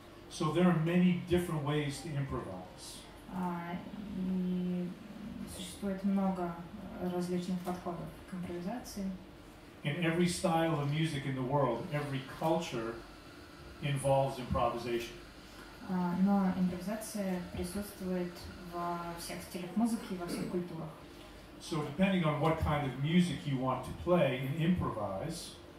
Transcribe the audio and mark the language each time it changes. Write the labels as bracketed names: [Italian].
[English] So there are many different ways to improvise. [Russian] И существует много различных подходов к импровизации. [English] In every style of music in the world, every culture involves improvisation. [Russian] Но импровизация присутствует во всех стилях музыки, во всех культурах. [English] So depending on what kind of music you want to play and improvise,